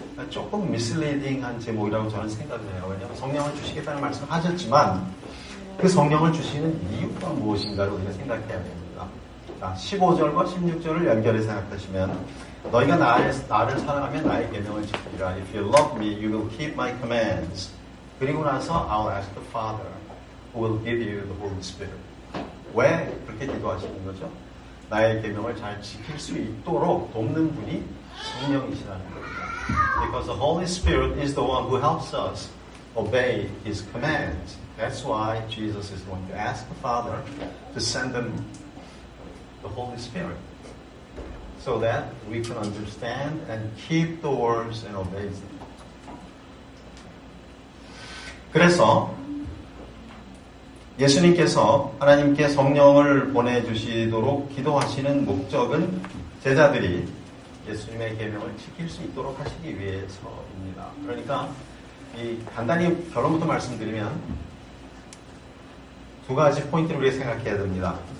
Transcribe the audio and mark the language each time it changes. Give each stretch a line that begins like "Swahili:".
Korean: 조금 미슬리딩한 제목이라고 저는 생각을 해요. 왜냐하면 성령을 주시겠다는 말씀을 하셨지만 그 성령을 주시는 이유가 무엇인가를 우리가 생각해야 됩니다. 자, 15절과 16절을 연결해서 생각하시면 너희가 나를 사랑하면 나의 계명을 지키라.
English: If you love me, you will keep my commands.
Korean: 그리고 나서
English: I'll ask the Father who will give you the Holy Spirit.
Korean: 왜 그렇게 기도하시는 거죠? 나의 계명을 잘 지킬 수 있도록 돕는 분이 성령이시라는 겁니다.
English: Because the Holy Spirit is the one who helps us obey His commands. That's why Jesus is going to ask the Father to send them the Holy Spirit so that we can understand and keep the words and obey them.
Korean: 그래서 예수님께서 하나님께 성령을 보내주시도록 기도하시는 목적은 제자들이 예수님의 계명을 지킬 수 있도록 하시기 위해서입니다. 그러니까 이 간단히 결론부터 말씀드리면 두 가지 포인트를 우리가 생각해야 됩니다.